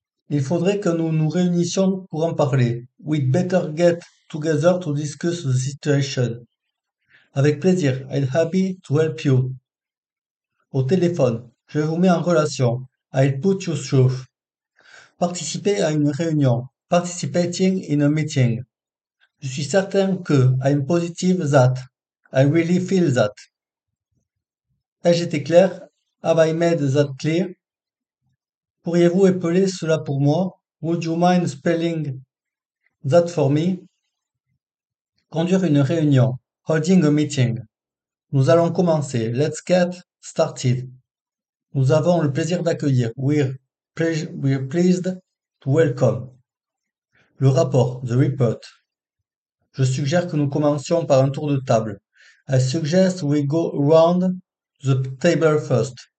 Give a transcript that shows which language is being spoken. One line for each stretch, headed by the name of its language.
French: Il faudrait que nous nous réunissions pour en parler.
English: We'd better get together to discuss the situation.
French: Avec plaisir,
English: I'd happy to help you.
French: Au téléphone, je vous mets en relation.
English: I'll put you through.
French: Participer à une réunion.
English: Participating in a meeting.
French: Je suis certain que
English: I'm positive that. I really feel that.
French: Ai-je été clair?
English: Have I made that clear?
French: Pourriez-vous épeler cela pour moi?
English: Would you mind spelling that for me?
French: Conduire une réunion.
English: Holding a meeting.
French: Nous allons commencer.
English: Let's get started.
French: Nous avons le plaisir d'accueillir.
English: We're pleased to welcome.
French: Le rapport.
English: The report.
French: Je suggère que nous commencions par un tour de table.
English: I suggest we go round the table first.